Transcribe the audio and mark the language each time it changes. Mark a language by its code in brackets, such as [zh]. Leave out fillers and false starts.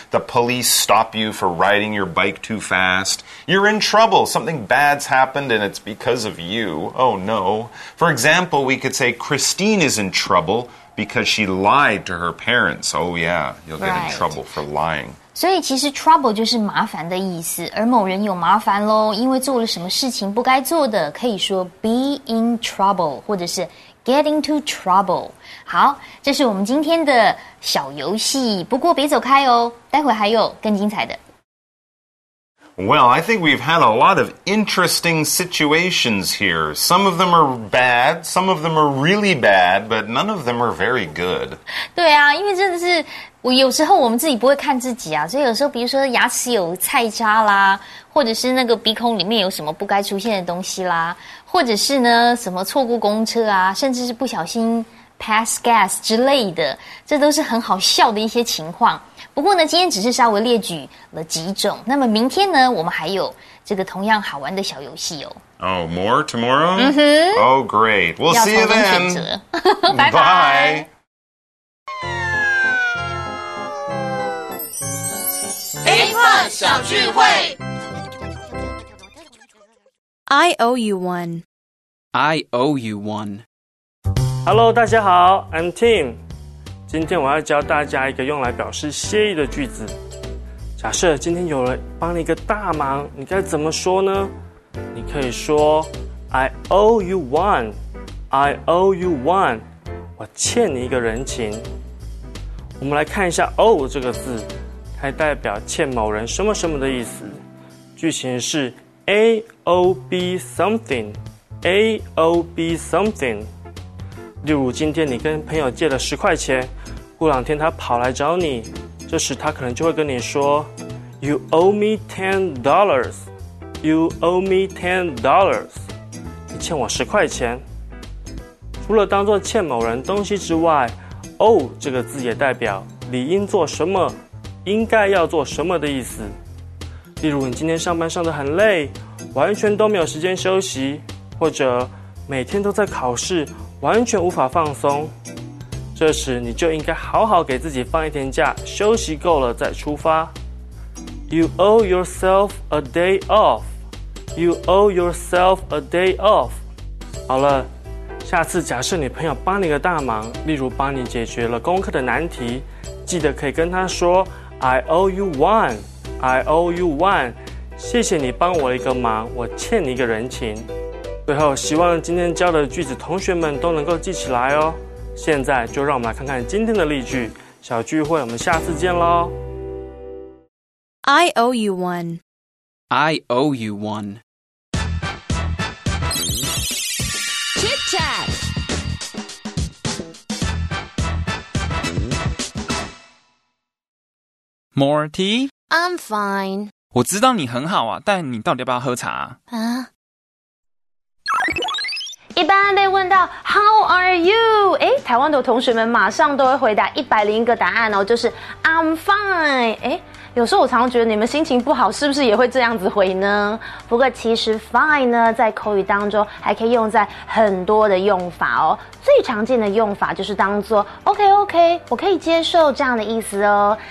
[en] The police stop you for riding your bike too fast. You're in trouble. Something bad's happened and it's because of you. Oh, no. For example, we could say Christine is in trouble. Because she lied to her parents. Oh, yeah, you'll get in trouble for lying. [zh] 所以其实 trouble 就是麻烦的意思。而某人有麻烦咯，因为做了什么事情不该做的，可以说 [en] be in trouble, [zh] 或者是 [en] get into trouble. [zh] 好，这是我们今天的小游戏。不过别走开哦，待会还有更精彩的。 [en] Well, I think we've had a lot of interesting situations here. Some of them are bad, some of them are really bad, but none of them are very good. [zh] 对啊，因为真的是，我有时候我们自己不会看自己啊，所以有时候比如说牙齿有菜渣啦，或者是那个鼻孔里面有什么不该出现的东西啦，或者是呢，什么错过公车啊，甚至是不小心 [en] pass gas [zh] 之类的，这都是很好笑的一些情况。不过呢，今天只是稍微列举了几种。那么明天呢，我们还有这个同样好玩的小游戏哦。 [en] Oh, more tomorrow? Mm-hmm. Oh, great. We'll see you then. [zh] 拜拜。 [en] Bye. [zh] A-Fun 小聚会。 [en] I owe you one. I owe you one. Hello, [zh] 大家好 [en] I'm Tim. [zh] 今天我要教大家一个用来表示谢意的句子。假设今天有人帮你一个大忙，你该怎么说呢？你可以说 [en] I owe you one. I owe you one. [zh] 我欠你一个人情。我们来看一下 owe 这个字，它代表欠某人什么什么的意思。 [en] 句型是 A owe B something. A owe B something. [zh] 例如今天你跟朋友借了十块钱，过两天他跑来找你，这时他可能就会跟你说 [en] You owe me $10. You owe me $10. [zh] 你欠我十块钱。除了当作欠某人东西之外， owe 这个字也代表理应做什么，应该要做什么的意思。例如你今天上班上得很累，完全都没有时间休息，或者每天都在考试，完全无法放松，这时你就应该好好给自己放一天假，休息够了再出发。 [en] You owe yourself a day off. You owe yourself a day off. [zh] 好了，下次假设你朋友帮你个大忙，例如帮你解决了功课的难题，记得可以跟他说 [en] I owe you one. I owe you one. [zh] 谢谢你帮我一个忙，我欠你一个人情。最后希望今天教的句子同学们都能够记起来哦。现在就让我们来看看今天的例句小聚会，我们下次见咯。 [en] I owe you one. I owe you one. More tea? I'm fine. [zh] 我知道你很好啊，但你到底要不要喝茶？一般被问到 [en] How are you? [zh] 诶，台湾的同学们马上都会回答101个答案哦，就是 [en] I'm fine. [zh] 诶，有时候我常常觉得你们心情不好是不是也会这样子回呢？不过其实 fine 呢，在口语当中还可以用在很多的用法哦。最常见的用法就是当作 OK OK， 我可以接受这样的意思哦。